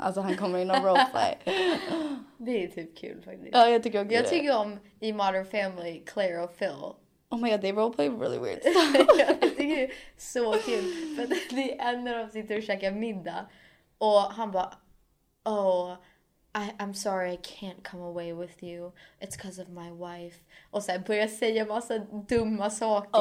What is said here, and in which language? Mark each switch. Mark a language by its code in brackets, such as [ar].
[sv] Alltså han kommer in och roleplay. Det är typ kul faktiskt. Ja, jag tycker också. Jag tycker om i Modern Family, Claire och Phil. [en] Oh my god, they roleplay really weird [sv] stuff. Jag tycker det är så kul. För det är en när de sitter och käkar middag. Och han bara, [en] oh, I'm sorry I can't come away with you. It's because of my wife. [sv] Och sen börjar säga massa dumma saker.